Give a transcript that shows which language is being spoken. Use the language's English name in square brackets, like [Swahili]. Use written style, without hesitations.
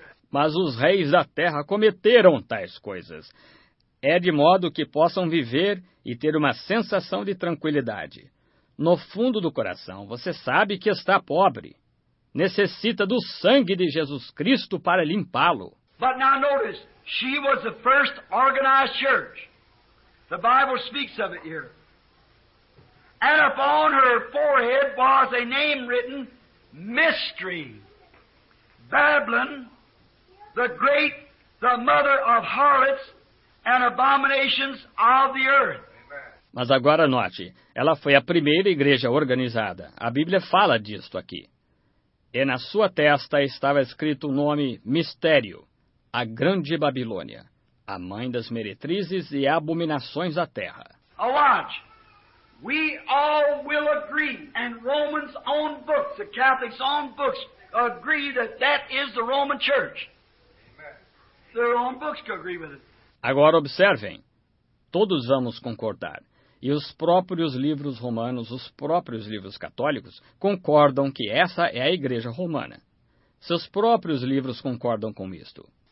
[Portuguese] Mas os reis da terra cometeram tais coisas. É de modo que possam viver e ter uma sensação de tranquilidade. No fundo do coração, você sabe que está pobre. Necessita do sangue de Jesus Cristo para limpá-lo. [English] But now notice, she was the first organized church. The Bible speaks of it here. And upon her forehead was a name written, Mystery, Babylon, the great, the mother of harlots and abominations of the earth. [Portuguese] Mas agora note, ela foi a primeira igreja organizada. A Bíblia fala disto aqui. E na sua testa estava escrito o nome Mistério, a Grande Babilônia, a mãe das meretrizes e abominações da terra. [English] Watch. We all will agree, and Romans' own books, the Catholics' own books, agree that that is the Roman Church. Their own books can agree with it. [Portuguese] Agora observem, todos vamos concordar. E os próprios livros romanos, os próprios livros católicos, concordam que essa é a Igreja Romana. Seus próprios livros concordam com isto.